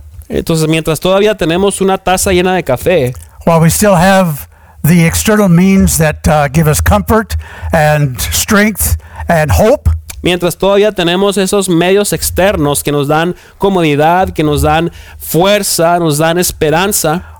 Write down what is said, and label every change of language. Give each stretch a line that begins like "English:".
Spanish: entonces mientras todavía tenemos una taza llena de café,
English: while we still have the external means that give us comfort and strength and hope,
Spanish: mientras todavía tenemos esos medios externos que nos dan comodidad, que nos dan fuerza, nos dan esperanza,